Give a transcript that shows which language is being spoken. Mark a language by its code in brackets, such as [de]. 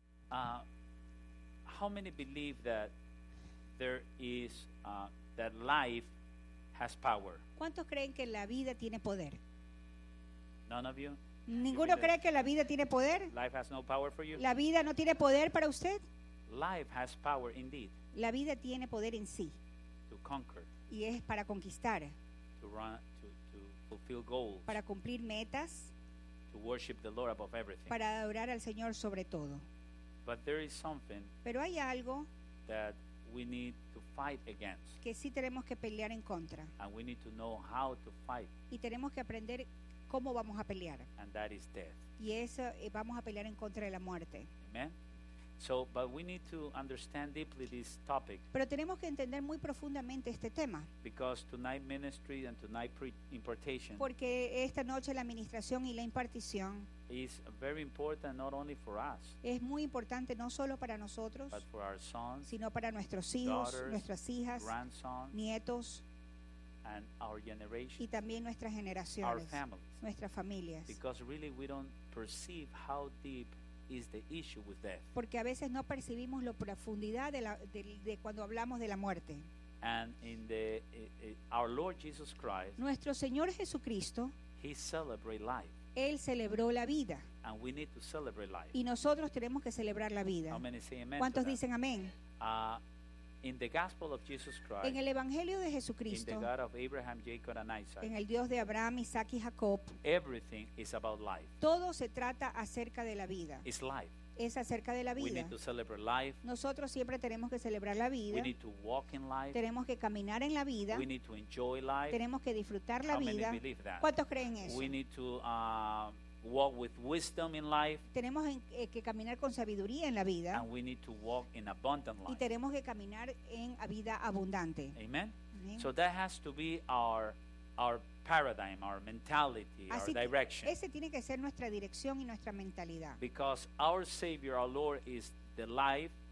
[en] how many believe that there is that life has power? [es] ¿Cuántos creen que la vida tiene poder? [en] None of you. [es] ¿Ninguno cree que la vida tiene poder? [en] Life has no power for you. [es] ¿La vida no tiene poder para usted? [en] Life has power indeed. [es] La vida tiene poder en sí. [en] To conquer. [es] Y es para conquistar. [en] To run, to fulfill goals. [es] Para cumplir metas. [en] To worship the Lord above everything. [es] Para adorar al Señor sobre todo. [en] But there is something. [es] Pero hay algo [en] that we need to fight against. [es] Que sí tenemos que pelear en contra. [en] And we need to know how to fight. [es] Y tenemos que aprender cómo vamos a pelear. [en] And that is death. [es] Y eso, vamos a pelear en contra de la muerte. [en] Amen. So, but we need to understand deeply this topic. [es] Pero tenemos que entender muy profundamente este tema. [en] Because tonight ministry and tonight impartation. [es] Porque esta noche la administración y la impartición. [en] Is very important not only for us. [es] Es muy importante no solo para nosotros. [en] But for our sons. [es] Sino para nuestros hijos, [en] daughters, [es] nuestras hijas, [en] grandsons, [es] nietos. [en] And our generation. [es] Y también nuestras generaciones. [en] Our families. [es] Nuestras familias. [en] Because really we don't perceive how deep. Is the issue with death. [es] Porque a veces no percibimos la profundidad de cuando hablamos de la muerte. [en] And in the our Lord Jesus Christ, [es] nuestro Señor Jesucristo, [en] he celebrated life. [es] Él celebró la vida. [en] And we need to celebrate life. [es] Y nosotros tenemos que celebrar la vida. [en] How many say amen? [es] ¿Cuántos dicen amén? [en] In the gospel of Jesus Christ, [es] en el Evangelio de Jesucristo, [en] in the God of Abraham, Jacob, and Isaac, [es] en el Dios de Abraham, Isaac y Jacob, [en] everything is about life. [es] Todo se trata acerca de la vida. [en] It's life. [es] Es acerca de la vida. [en] We need to celebrate life. [es] Nosotros siempre tenemos que celebrar la vida. [en] We need to walk in life. [es] Tenemos que caminar en la vida. [en] We need to enjoy life. [es] Tenemos que disfrutar la [en] How [es] vida. [en] Many believe that? [es] ¿Cuántos creen eso? [en] We need to walk with wisdom in life. [es] Tenemos que caminar con sabiduría en la vida. [en] And we need to walk in abundant life. [es] Y tenemos que caminar en vida abundante. [en] Amen. Amen. So that has to be our paradigm, our mentality, [es] Así [en] our direction. [es] Ese tiene que ser nuestra dirección y nuestra mentalidad. [en] Because our Savior, our Lord, is the life.